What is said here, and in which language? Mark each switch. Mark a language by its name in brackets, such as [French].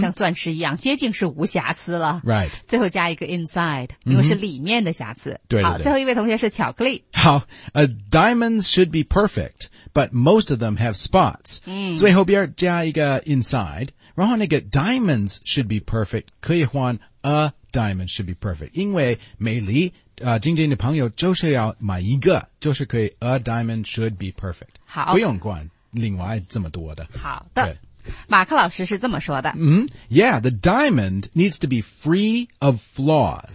[Chinese] 像钻石一样接近是无瑕疵了。 [English] Right. [Chinese] 最后加一个 inside, 因为是里面的瑕疵。对、mm-hmm. 好最后一位同学是巧克力。 [English] 好 ,diamonds should be perfect, but most of them have spots.、 Mm-hmm. [Chinese] 最后边加一个 inside, 然后那个 [English] diamonds should be perfect, [Chinese] 可以换 [English] a diamond should be perfect, [Chinese] 因为美丽晶晶的朋友就是要买一个就是可以 a diamond should be perfect. 好。不用管。另外这么多的好的马克老师是这么说的、 mm-hmm. [English] Yeah, the diamond needs to be free of flaws